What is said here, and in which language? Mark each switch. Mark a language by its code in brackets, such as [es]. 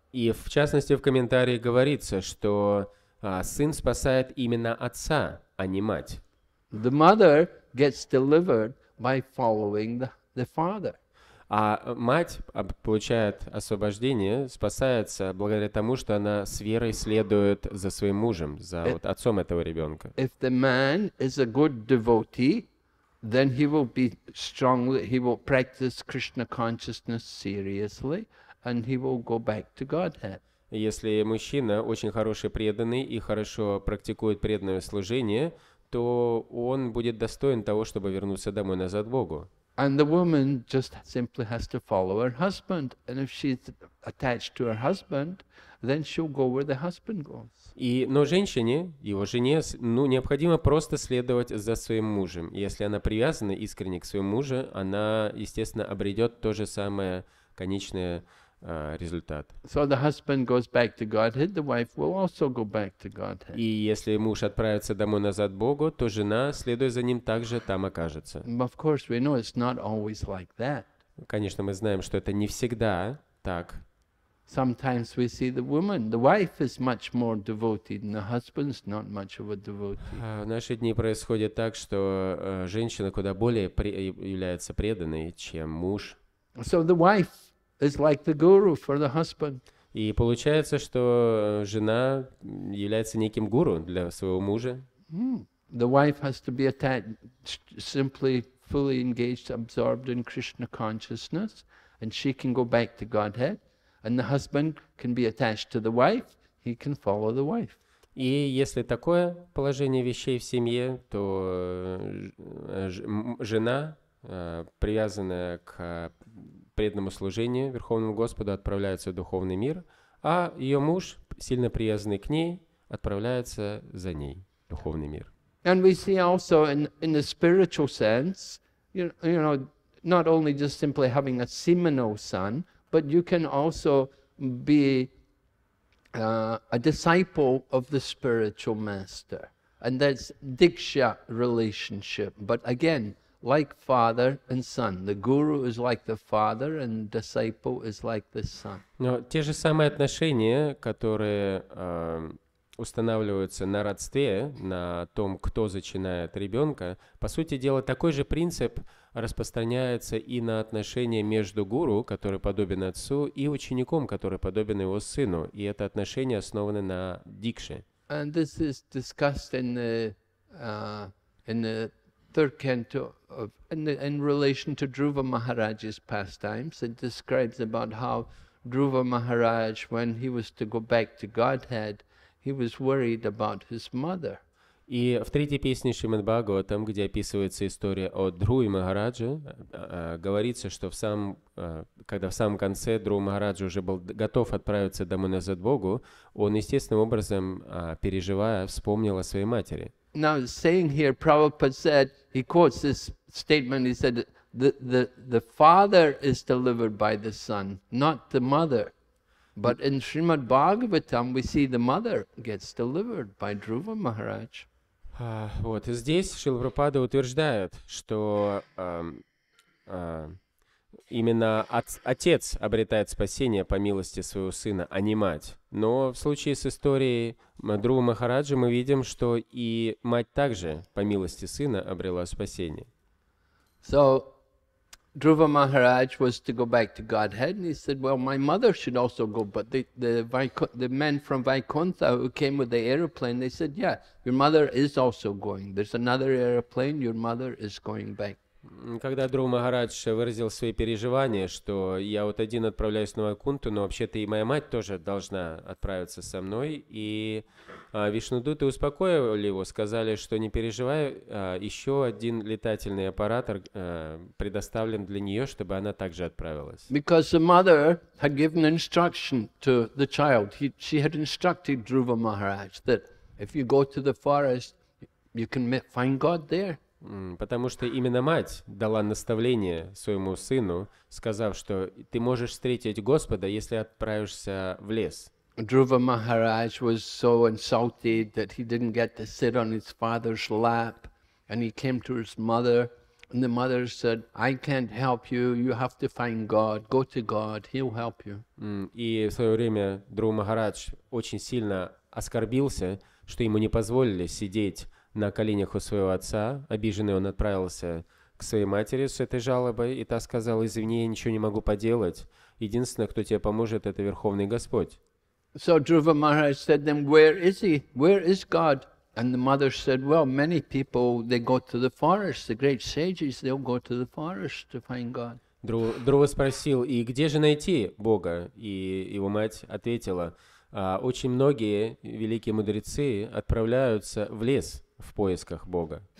[ru] И в частности в комментарии говорится, что сын спасает именно отца, а не мать. [en] The mother gets delivered by following the father. [ru] А мать получает освобождение, спасается благодаря тому, что она с верой следует за своим мужем, за вот отцом этого ребенка. [en] If the man is a good devotee, then he will be strongly, he will practice Krishna consciousness seriously, and he will go back to Godhead. [ru] Если мужчина очень хороший преданный и хорошо практикует преданное служение, то он будет достоин того, чтобы вернуться домой назад к Богу. [en] And the woman just simply has to follow her husband, and if she's attached to her husband, then she'll go where the husband goes. [ru] И но женщине, его жене, ну необходимо просто следовать за своим мужем. Если она привязана искренне к своему мужу, она, естественно, обретет то же самое конечное результат. [en] So the husband goes back to Godhead, the wife will also go back to Godhead. [ru] И если муж отправится домой назад к Богу, то жена, следуя за ним, также там окажется. [en] But of course we know it's not always like that. [ru] Конечно, мы знаем, что это не всегда так. [en] Sometimes we see the woman, the wife is much more devoted, and the husband's not much of a devotee. [ru] В наши дни происходит так, что женщина куда более является преданной, чем муж. [en] So the wife is like the guru for the husband. [ru] И получается, что жена является неким гуру для своего мужа. [en] The wife has to be attached, simply fully engaged, absorbed in Krishna consciousness, and she can go back to Godhead, and the husband can be attached to the wife, he can follow the wife. [ru] И если такое положение вещей в семье, то жена, привязанная к преданному служению Верховному Господу, отправляется в духовный мир, а ее муж, сильно привязанный к ней, отправляется за ней в духовный мир. [en] And we see also in the spiritual sense, you know, not only just simply having a seminal son, but you can also be a disciple of the spiritual master, and that's diksha relationship. But again, like father and son, the guru is like the father, and disciple is like the son. [ru] Но те же самые отношения, которые устанавливаются на родстве, на том, кто зачинает ребенка, по сути дела такой же принцип распространяется и на отношения между гуру, который подобен отцу, и учеником, который подобен его сыну, и это отношения основаны на дикше. [en] And this is discussed in the third canto of in relation to Dhruva Maharaj's pastimes. It describes about how Dhruva Maharaj, when he was to go back to Godhead, he was worried about his mother. [ru] И в третьей песне Шримад Бхагаватам, где описывается история о Друи Махарадже, говорится, что в самом конце Друи Махарадж уже был готов отправиться домой назад к Богу, он естественным образом, переживая, вспомнил о своей матери. [en] Now saying here, Prabhupada said, he quotes this statement, he said, the father is delivered by the son, not the mother. But in Srimad Bhagavatam we see the mother gets delivered by Dhruva Maharaj. [ru] Вот здесь Шрила Прабхупада утверждает, что именно отец обретает спасение по милости своего сына, а не мать. Но в случае с историей Дхрувы Махараджи мы видим, что и мать также по милости сына обрела спасение. [en] So Dhruva Maharaj was to go back to Godhead, and he said, "Well, my mother should also go." But the men from Vaikuntha who came with the aeroplane, they said, "Yeah, your mother is also going. There's another aeroplane. Your mother is going back." [ru] Когда Дхрува Махарадж выразил свои переживания, что я вот один отправляюсь на Вайкунту, но вообще-то и моя мать тоже должна отправиться со мной, и Вишнудуты успокоили его, сказали, что не переживай, еще один летательный аппарат предоставлен для нее, чтобы она также отправилась. [en] Because the mother had given instruction to the child. She had instructed Dhruva Maharaj that if you go to the forest, you can find God there. [ru] Потому что именно мать дала наставление своему сыну, сказав, что ты можешь встретить Господа, если отправишься в лес. [en] Dhruva Maharaj was so insulted that he didn't get to sit on his father's lap, and he came to his mother, and the mother said, "I can't help you. You have to find God. Go to God. He'll help you." [ru] И в свое время Dhruva Maharaj очень сильно оскорбился, что ему не позволили сидеть на коленях у своего отца. Обиженный, он отправился к своей матери с этой жалобой, и та сказала: «Извини, я ничего не могу поделать. Единственное, кто тебе поможет, это Верховный Господь». [en] So Dhruva Maharaj said, "Then where is he? Where is God?" And the mother said, "Well, many people they go to the forest. The great sages they'll go to the forest to find God." [ru] Dhruva спросил: "И где же найти Бога?" И его мать ответила: "Очень многие великие мудрецы отправляются в лес в поисках Бога."